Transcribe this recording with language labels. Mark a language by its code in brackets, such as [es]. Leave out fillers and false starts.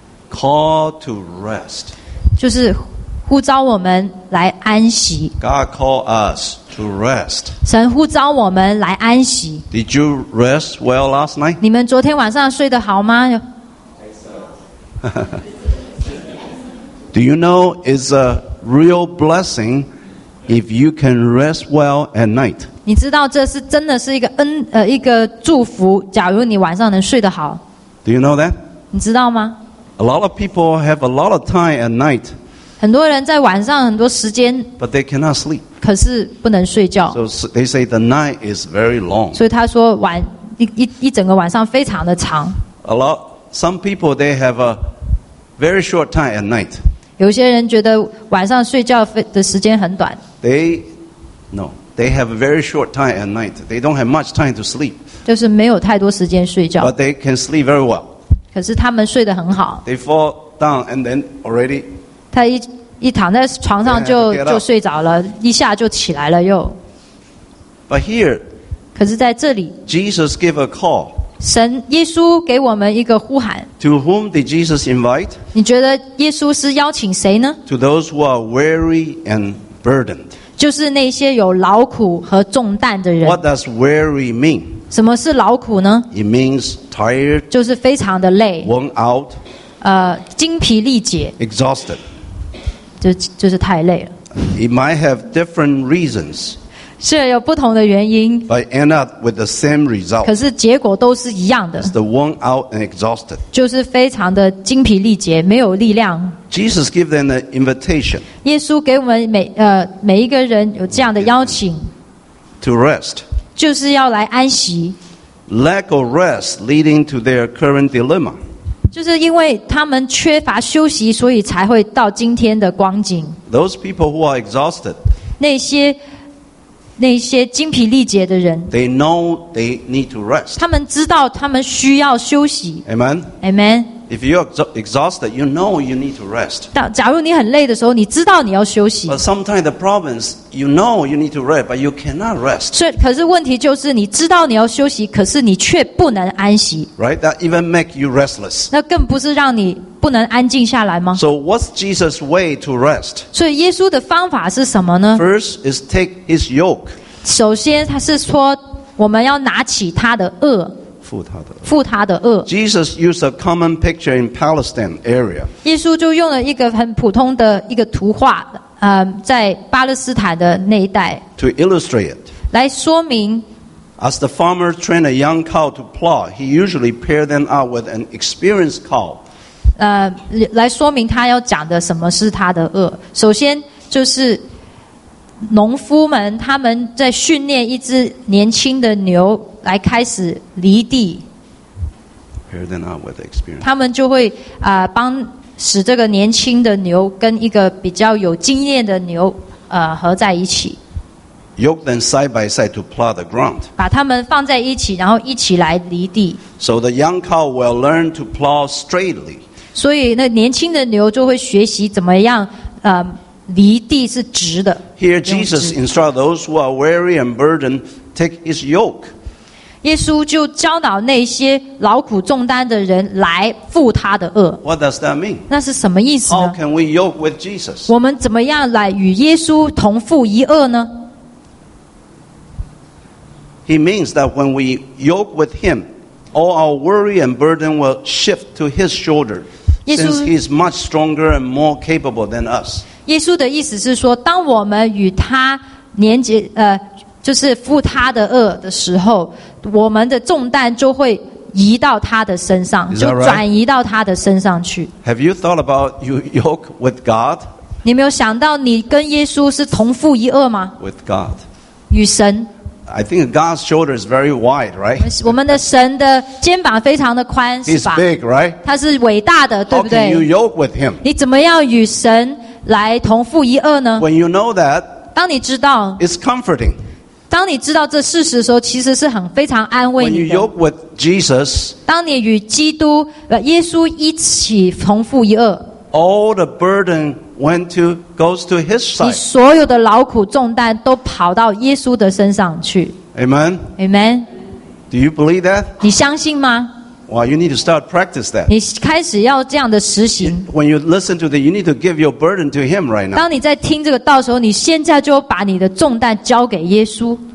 [en] Call to rest. [zh] 就是呼召我们来安息。 [en] God called us to rest. [zh] 神呼召我们来安息。 [en] Did you rest well last night? [zh] 你们昨天晚上睡得好吗？ [en] Do you know it's a real blessing if you can rest well at night? [zh] 你知道这是真的是一个恩一个祝福，假如你晚上能睡得好。 [en] Do you know that? [zh] 你知道吗？ [en] A lot of people have a lot of time at night. [zh] 很多人在晚上很多时间。 [en] But they cannot sleep. [zh] 可是不能睡觉。 [en] So they say the night is very long. [zh] 所以他说晚一整个晚上非常的长。 [en] Some people they have a very short time at night. [zh] 有些人觉得晚上睡觉的时间很短。 [en] They have a very short time at night. They don't have much time to sleep. [zh] 就是没有太多时间睡觉。 [en] But they can sleep very well. [zh] 可是他们睡得很好。 [en] They fall down and then already. [zh] 他一躺在床上就睡着了，一下就起来了又。 [en] But here. [zh] 可是在这里。 [en] Jesus gave a call. [zh] 神耶稣给我们一个呼喊。 [en] To whom did Jesus invite? [zh] 你觉得耶稣是邀请谁呢？ [en] To those who are weary and burdened. [zh] 就是那些有劳苦和重担的人。 [en] What does weary mean? [zh] 什么是劳苦呢？ [en] It means tired. [zh] 就是非常的累。 [en] Worn out. [zh] 精疲力竭。 [en] Exhausted. [zh] 就是太累了。 [en] It might have different reasons. [zh] 是有不同的原因 [en] but end up with the same result. [zh] 可是结果都是一样的 [en] It's the worn out and exhausted. [zh] 就是非常的精疲力竭没有力量 [en] Jesus gave them an invitation. [zh] 耶稣给我们每一个人有这样的邀请 [en] To rest. [zh] 就是要来安息 [en] Lack of rest leading to their current dilemma. [zh] 就是因为他们缺乏休息所以才会到今天的光景 [en] Those people who are exhausted. [zh] 那些精疲力竭的人 [en] they know they need to rest. [zh] 他们知道他们需要休息 [en] Amen. Amen. If you're exhausted, you know you need to rest. [zh] 假如你很累的时候你知道你要休息 [en] But sometimes the problem is you know you need to rest, but you cannot rest. [zh] 可是问题就是你知道你要休息可是你却不能安息 [en] Right? That even make you restless. [zh] 那更不是让你不能安静下来吗 [en] So what's Jesus' way to rest? [zh] 所以耶稣的方法是什么呢 [en] First is take his yoke. [zh] 首先他是说我们要拿起他的轭负他的轭。 [en] Jesus used a common picture in Palestine area. [zh] 耶稣就用了一个很普通的一个图画，在巴勒斯坦的那一带。 [en] To illustrate it. [zh] 来说明。 [en] As the farmer trained a young cow to plow, he usually paired them out with an experienced cow. [zh] 来说明他要讲的什么是他的轭。首先就是农夫们他们在训练一只年轻的牛。来开始犁地 [en] Pair them out with experience. [zh] 他们就会帮使这个年轻的牛跟一个比较有经验的牛合在一起 [en] Yoke them side by side to plow the ground. [zh] 把他们放在一起然后一起来犁地 [en] So the young cow will learn to plow straightly. [zh] 所以那年轻的牛就会学习怎么样犁地是直的 [en] Here Jesus instructs those who are weary and burdened take his yoke. [zh] 耶稣就教导那些劳苦重担的人来负他的轭。 [en] What does that mean? [zh] 那是什么意思呢 [en] ？How can we yoke with Jesus? [zh] 我们怎么样来与耶稣同负一轭呢 [en] ？He means that when we yoke with him, all our worry and burden will shift to his shoulder, since he is much stronger and more capable than us. [zh] 耶稣的意思是说，当我们与他连接就是负他的轭的时候。我们的重担就会移到他的身上、 [en] right? [zh] 就转移到他的身上去 [en] Have you thought about your yoke with God? [zh] 你没有想到你跟耶稣是同负一轭吗 [en] With God [zh] 与神 [en] I think God's shoulder is very wide, right? [zh] 我们的神的肩膀非常的宽 [en] He's big, right? [zh] 他是伟大的对不对 [en] How can you yoke with him? [zh] 你怎么样与神来同负一轭呢 [en] When you know that [zh] 当你知道 [en] It's comforting [zh] 当你知道这事实的时候，其实是很非常安慰你的。 [en] When you yoke with Jesus, [zh] 当你与基督、耶稣一起同负一轭 [en] ，all the burden went to goes to His side. [zh] 你所有的劳苦重担都跑到耶稣的身上去。 [en] Amen. Amen. Do you believe that? [zh] 你相信吗？ [en] Well, you need to start practice that. [zh] 你开始要这样的实行。 [en] When you listen to that, you need to give your burden to Him right now. [zh] 当你在听这个道的时候，你现在就把你的重担交给耶稣。